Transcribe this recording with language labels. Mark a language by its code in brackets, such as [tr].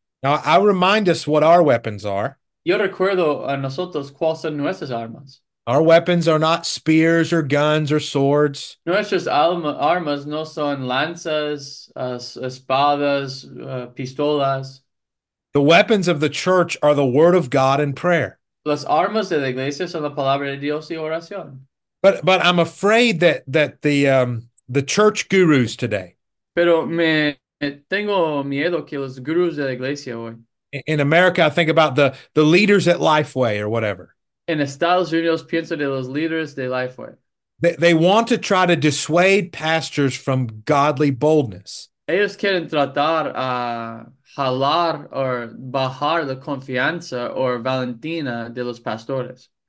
[en] Now, I remind us what our weapons are. [es] Yo recuerdo a nosotros cuáles son nuestras armas. [en] Our weapons are not spears or guns or swords. [es] Nuestras armas no son lanzas, espadas, pistolas. [en] The weapons of the church are the word of God and prayer. [es] Las armas de la iglesia son la palabra de Dios y oración. [en] But I'm afraid that the church gurus today. [es] Pero me tengo miedo que los gurus de la iglesia hoy. [en] In America, I think about the leaders at Lifeway or whatever. [es] En Estados Unidos pienso de los líderes de Lifeway. [en] They want to try to dissuade pastors from godly boldness. [es] Ellos quieren tratar a jalar o bajar la confianza o valentina de los pastores.